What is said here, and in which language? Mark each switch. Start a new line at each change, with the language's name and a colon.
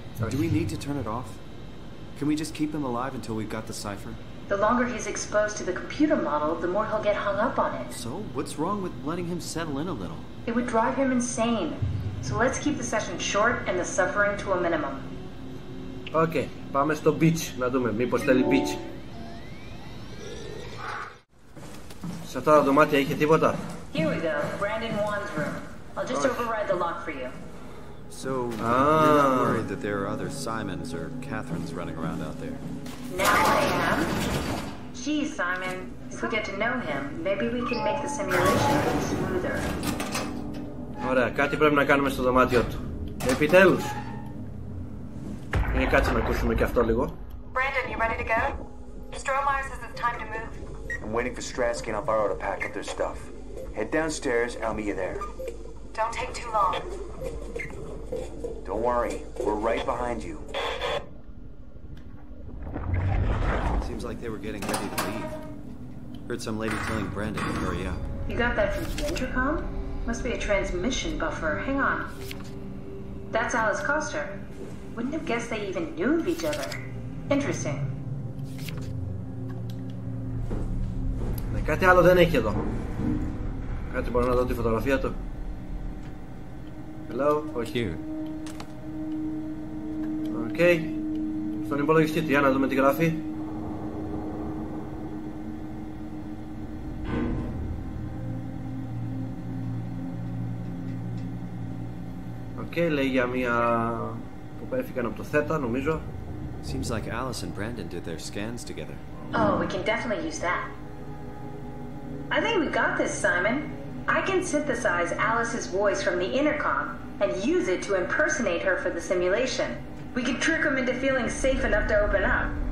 English: Do we need to turn it off? Can we just keep him alive until we've got the cipher? The longer he's exposed to the computer model, the more he'll get hung up on it. So, what's wrong with letting him settle in a little? It would drive him insane. So let's keep the session short and the suffering to a minimum.
Greek: Okay, πάμε στο beach να δούμε, μήπως θέλει beach. Σε αυτά τα δωμάτια είχε τίποτα.
English: Here we go, Brandon Wan's room. I'll just override the lock for you. So, you're not worried that there are other Simons or Catherines running around out there? Now I am. Geez, Simon, if we get to know him, maybe we can make the simulation smoother.
Greek: Ωραία, κάτι πρέπει να κάνουμε στο δωμάτιό του. Επιτέλους! Για κάτσε να ακούσουμε και αυτό λίγο.
English: Brandon, you ready to go? Stromar says it's time to move. I'm waiting for Stratsky and I'll borrow to pack up their stuff. Head downstairs and I'll meet you there. Don't take too long. Don't worry, we're right behind you. Seems like they were getting ready to leave. Heard some lady telling Brandon to hurry up. You got that from the intercom? Must be a transmission buffer. Hang on. That's Alice Koster. Wouldn't have guessed they even knew of each other. Interesting.
Greek: Κάτι άλλο δεν έχει εδώ. Κάτι μπορώ να δω τη φωτογραφία του.
English: Hello,
Greek: όχι. Οκ. Στον υπολογιστή του, για να δούμε τη γραφή. Οκ, λέει για μία που πέφυγαν από το θέτα, νομίζω.
English: Seems like Alice and Brandon did their scans together. Oh, we can definitely use that. I think we got this, Simon. I can synthesize Alice's voice from the intercom and use it to impersonate her for the simulation. We can trick him into feeling safe enough to open up.